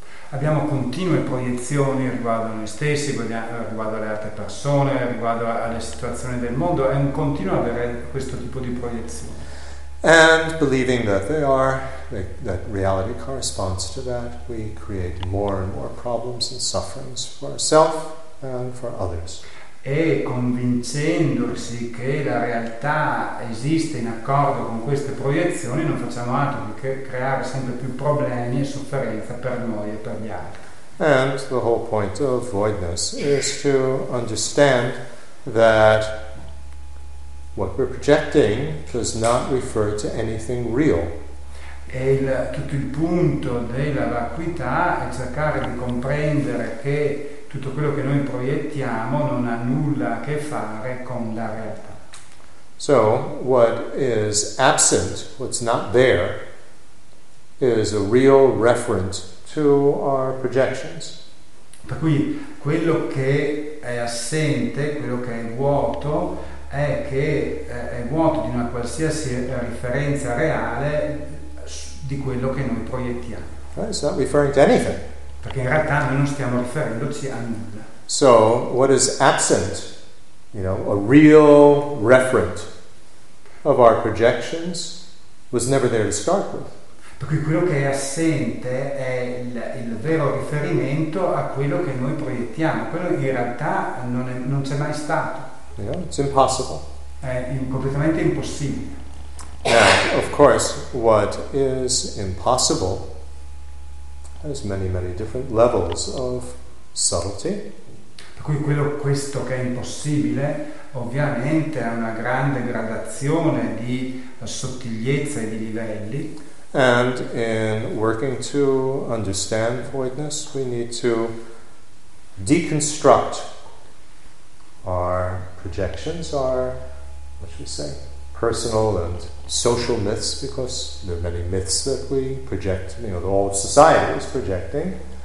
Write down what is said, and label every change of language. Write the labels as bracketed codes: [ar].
[it] Abbiamo continue proiezioni riguardo a noi stessi, riguardo alle altre persone, riguardo alle situazioni del mondo, e continuo ad avere questo tipo di proiezioni. [en] And believing that they are, that reality corresponds to that, we create more and more problems and sufferings for ourselves and for others. [it] E convincendosi che la realtà esiste in accordo con queste proiezioni, non facciamo altro che creare sempre più problemi e sofferenza per noi e per gli altri. [en] And the whole point of voidness is to understand that what we're projecting does not refer to anything real. [it] E tutto il punto della vacuità è cercare di comprendere che tutto quello che noi proiettiamo non ha nulla a che fare con la realtà. [en] So, what is absent, what's not there, is a real reference to our projections. [it] Per cui quello che è assente, quello che è vuoto, è che è vuoto di una qualsiasi referenza reale di quello che noi proiettiamo. [en] Right, it's not referring to anything. [it] Perché in realtà noi non stiamo riferendoci a nulla. [en] So, what is absent, you know, a real referent of our projections, was never there to start with. [it] Per cui quello che è assente è il vero riferimento a quello che noi proiettiamo. Quello in realtà non c'è mai stato. [en] Yeah, it's impossible. [it] È completamente impossibile. [en] Now, of course, what is impossible has many, many different levels of subtlety. [it] Per cui questo che è impossibile ovviamente ha una grande gradazione di sottigliezza e di livelli. [en] And in working to understand voidness, we need to deconstruct our projections, our, what should we say, personal and social myths, because there are many myths that we project, you know, the whole society is projecting.